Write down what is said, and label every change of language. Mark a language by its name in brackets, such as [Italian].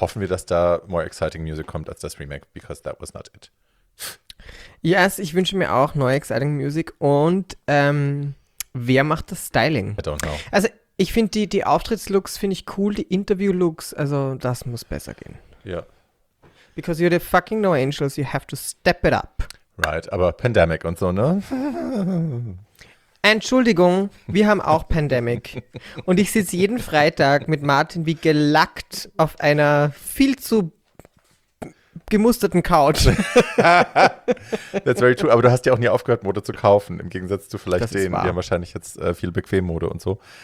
[German] Hoffen wir, dass da [English] more exciting music [German] kommt als das Remake, [English] because that was not it. [German] Yes, ich wünsche mir auch neue [English] exciting music. [German] Und wer macht das Styling? [English] I don't know. [German] Also ich finde die Auftrittslooks finde ich cool, die Interviewlooks, also das muss besser gehen. Ja. [English] Because you're the fucking No Angels, you have to step it up. [German] Right, aber Pandemic und so, ne? Entschuldigung, wir haben auch Pandemic. Und ich sitze jeden Freitag mit Martin wie gelackt auf einer viel zu gemusterten Couch. [English] That's very true. [German] Aber du hast ja auch nie aufgehört, Mode zu kaufen, im Gegensatz zu vielleicht das denen, die haben wahrscheinlich jetzt viel bequem Mode und so.